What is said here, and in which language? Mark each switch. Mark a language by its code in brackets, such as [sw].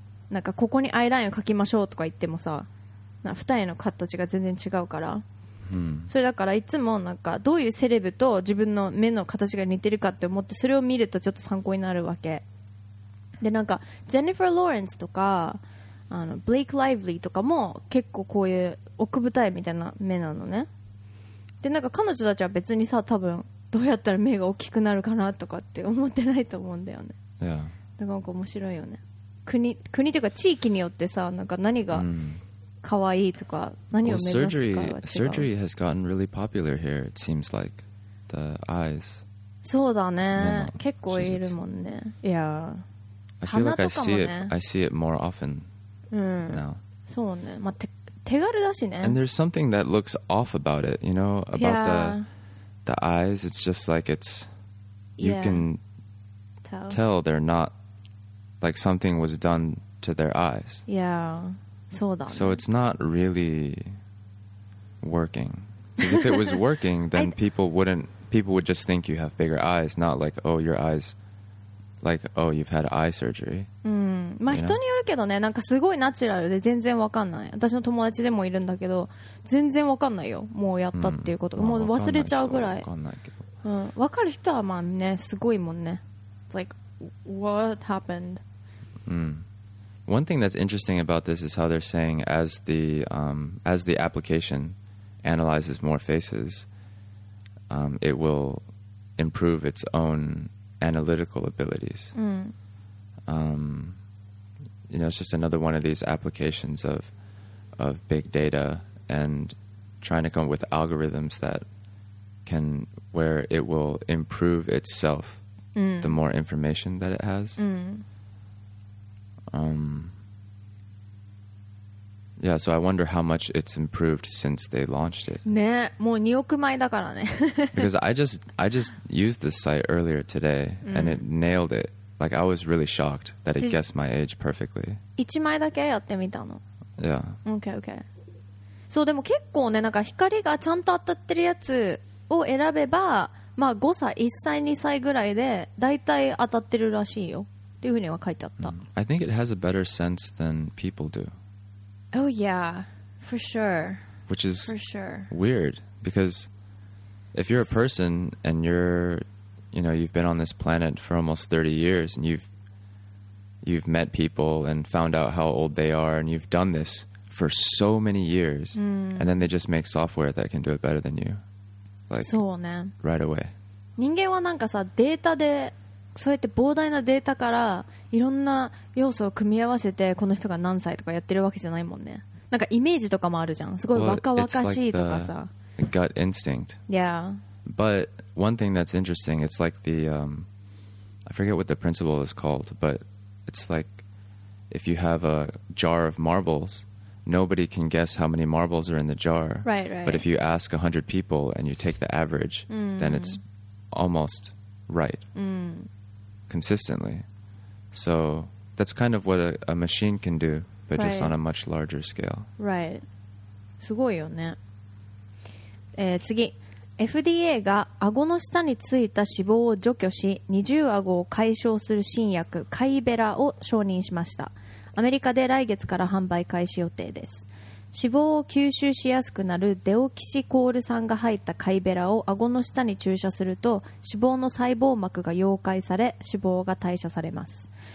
[ja] なんかここにアイラインを描きましょうとか言ってもさ、二重の形が全然違うから、それだからいつもなんかどういうセレブと自分の目の形が似てるかって思ってそれを見るとちょっと参考になるわけで、なんかジェニファー・ローレンスとかあのブレイク・ライヴリーとかも結構こういう奥二重みたいな目なのね。でなんか彼女たちは別にさ多分どうやったら目が大きくなるかなとかって思ってないと思うんだよね。だからなんか面白いよね。国というか地域によってさなんか何が可愛いとか何を目指すかは違う。 [en] Surgery has gotten really popular here, it seems like. The eyes. [ja] そうだね。結構いるもんね。いや。 [en] I feel like I see it more often. [ja] そうね、まあ、手軽だしね。 [en] And there's something that looks off about it, you know, about the eyes. It's just like it's, you can tell they're not, like something was done to their eyes. [ja] Yeah, そうだね。 [en] So it's not really working. Because if it was working, then people would just think you have bigger eyes, not like, oh, your eyes... Like, oh, you've had eye surgery. [ja] まあ人によるけどね、なんかすごいナチュラルで全然わかんない。私の友達でもいるんだけど、全然わかんないよ。もうやったっていうことが、もう忘れちゃうぐらい。わかんないけど。わかる人はまあね、すごいもんね。 [en] It's like, what happened? One thing that's interesting about this is how they're saying as the application analyzes more faces, it will improve its own... analytical abilities. You know, it's just another one of these applications of big data and trying to come up with algorithms that can, where it will improve itself the more information that it has. Yeah, so I wonder how much it's improved since they launched it. [ja] ね、もう2億枚だからね。 [en] Because I just used this site earlier today, and it nailed it. Like, I was really shocked that it guessed my age perfectly. [ja] 1枚だけやってみたの。 [en] Yeah. Okay, okay. [ja] そう、でも結構ね、なんか光がちゃんと当たってるやつを選べば、まあ5歳、1歳、2歳ぐらいで、だいたい当たってるらしいよ。っていうふうには書いてあった。 [en] I think it has a better sense than people do. Oh yeah, for sure. Which is for sure. Weird, because if you're a person and you're, you know, you've been on this planet for almost 30 years and you've you've met people and found out how old they are, and you've done this for so many years, and then they just make software that can do it better than you. [ja] Like, そうね。 [en] Right away. [ja] 人間はなんかさ、データで、そうやって膨大なデータからいろんな要素を組み合わせてこの人が何歳とかやってるわけじゃないもんね。なんかイメージとかもあるじゃん。すごい若々しいとかさ。 [en] Gut instinct. Yeah. But one thing that's interesting, it's like the, I forget what the principle is called, but it's like if you have a jar of marbles, nobody can guess how many marbles are in the jar. Right, right. But if you ask 100 people and you take the average, then it's almost right. Consistently. So that's kind of what a machine can do, but just on a much larger scale. [ja] Right. すごいよね。次、FDA が顎の下についた脂肪を除去し、二重顎を解消する新薬カイベラを承認しました。アメリカで来月から販売開始予定です。脂肪を吸収しやすくなるデオキシコール酸が入ったカイベラを顎の下に注射すると、脂肪の細胞膜が溶解され、脂肪が代謝されます。